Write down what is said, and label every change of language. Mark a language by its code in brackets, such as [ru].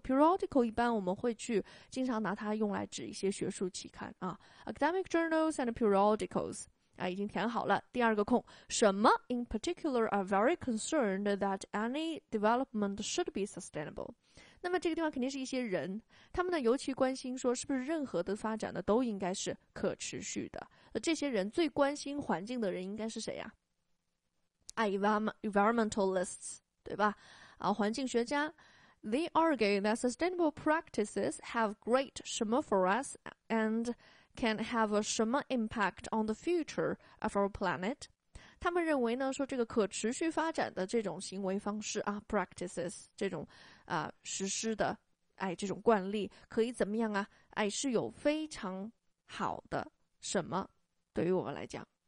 [zh] periodical 一般我们会去经常拿它用来指一些学术期刊啊 ， [en] academic journals and periodicals [zh] 啊，已经填好了。第二个空，什么 [en] in particular are very concerned that any development should be sustainable？ [zh] 那么这个地方肯定是一些人，他们呢尤其关心说是不是任何的发展呢都应该是可持续的。这些人最关心环境的人应该是谁呀？ Environmentalists, 对吧？啊，环境学家。 [en] They argue that sustainable practices have great [zh] 什么 [en] for us and can have a 什么 impact on the future of our planet. [zh] 他们认为呢，说这个可持续发展的这种行为方式啊 ，practices 这种啊实施的，哎，这种惯例可以怎么样啊？哎，是有非常好的什么对于我们来讲。